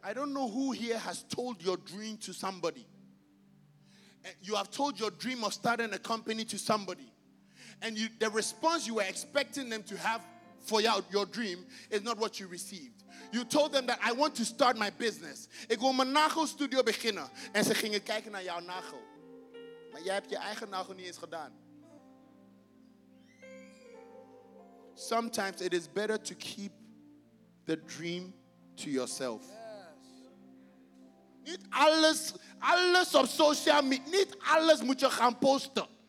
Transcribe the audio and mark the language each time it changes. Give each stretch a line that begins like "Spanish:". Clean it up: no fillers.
English: I don't know who here has told your dream to somebody. You have told your dream of starting a company to somebody. And the response you were expecting them to have for you, your dream is not what you received. You told them that I want to start my business.
Dutch: Ik wil mijn nagelstudio beginnen. En ze gingen kijken naar jouw nagel. Maar jij hebt je eigen nagel niet eens gedaan.
English: Sometimes it is better to keep the dream to yourself. Yes.
Dutch: Niet alles op social media. Niet alles moet je gaan posten.